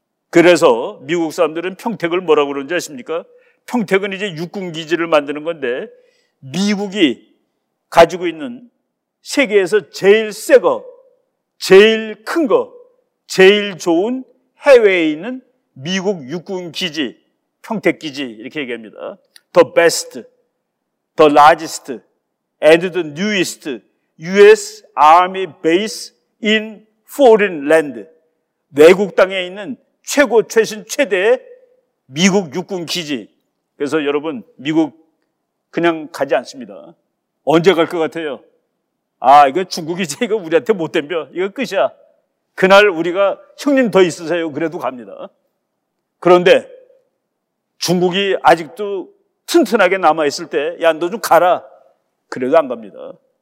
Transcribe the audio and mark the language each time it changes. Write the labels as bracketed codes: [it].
[ko] 그래서 미국 사람들은 평택을 뭐라고 그러는지 아십니까? 평택은 이제 육군기지를 만드는 건데 미국이 가지고 있는 세계에서 제일 새 거, 제일 큰 거, 제일 좋은 해외에 있는 미국 육군기지, 평택기지 이렇게 얘기합니다. [en] The best, the largest, and the newest U.S. Army base in foreign land. [ko] 외국 땅에 있는 최고, 최신, 최대의 미국 육군기지. 그래서 여러분, 미국 그냥 가지 않습니다. 언제 갈 것 같아요? 아, 이거 중국이지? 이거 우리한테 못 댐벼. 이거 끝이야. 그날 우리가 형님 더 있으세요. 그래도 갑니다. 그런데 중국이 아직도 튼튼하게 남아있을 때, 야, 너 좀 가라. 그래도 안 갑니다.